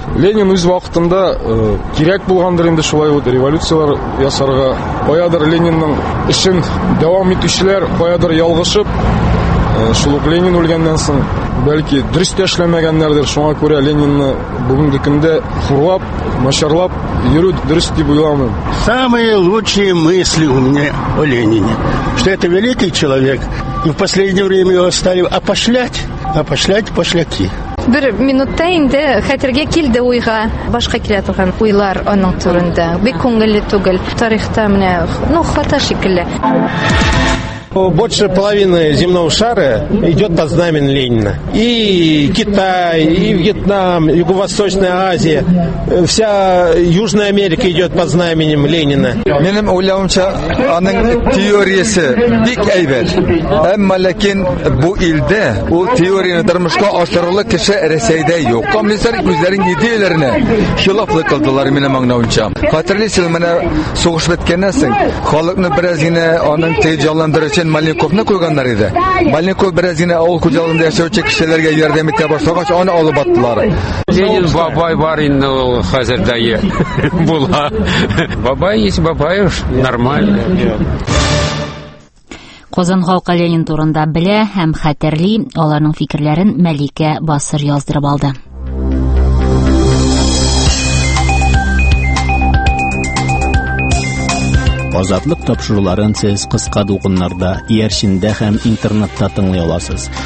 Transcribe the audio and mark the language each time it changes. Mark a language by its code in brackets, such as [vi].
[tt] Ленин үз вакытында кирәк булгандыр инде шулай ут революциялар ясарга. Каядыр Лениннең эшен дәвам итүчеләр каядыр ялгышып, шул ук Ленин үлгәннән соң, бәлки дөрестә эшләмәгәннәрдер, шуңа күрә Ленинны бүгенге көндә хурлап, начарлап йөрү дөрес дип уйламыйм. [ru] Самые лучшие мысли у меня о Ленине. Что это великий человек, и в последнее время его стали опошлять. Опошлять пошляки. [tt] Бер минутта инде хәтергә килде уйга, башка килә торган уйлар аның турында. Бик күңелле түгел. Тарихта менә, хата шикелле. [ru] Больше половины земного шара идет под знамен Ленина. И Китай, и Вьетнам, Юго-Восточная Азия, вся Южная Америка идет под знаменем Ленина. [tt] Минем уйлавымча, аның теориясы бик әйбәт. Әмма ләкин бу илдә ул теорияны тормышка ашырырлык кеше Рәсәйдә юк. Коммунистлар үзләрен идеяләренә хилафлык кылдылар минем аңлавымча. Хәтерлисез, менә сугыш беткәннән соң халыкны бераз генә аның тәҗәлләндерүче Маленковны куйганнар иде. Маленков бераз генә авыл хуҗалыгында яшәүче кешеләргә ярдәм итә башлагач, аны алып баттылар. Ленин бабай бар инде ул хәзер дә була. [ru] Бабай есть бабай, нормально. [tt] Казан халкы Ленин турында белә һәм хәтерли, аларның фикерләрен Мәликә Басыр яздырып алды. Азатлык тапшыруларын сез кыска дулкыннарда, ИРШында һәм интернетта тыңлый аласыз.